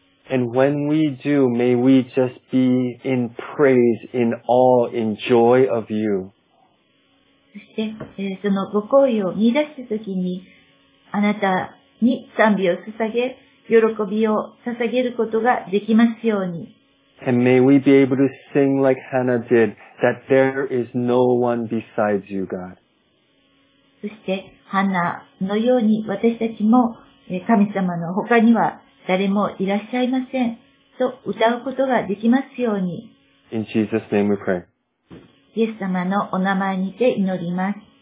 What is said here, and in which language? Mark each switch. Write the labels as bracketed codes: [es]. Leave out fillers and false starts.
[en] And when we do, may we just be in praise, in awe, in joy of you. [ja] そして、そのご好意を見出したときに、あなたに賛美を捧げ、喜びを捧げることができますように。 [en] And may we be able to sing like Hannah did, that there is no one besides you, God. [ja] そして、ハナのように私たちも、神様の他には、誰もいらっしゃいませんと歌うことができますように。 [en] In Jesus' name we pray. [ja] イエス様のお名前にて祈ります。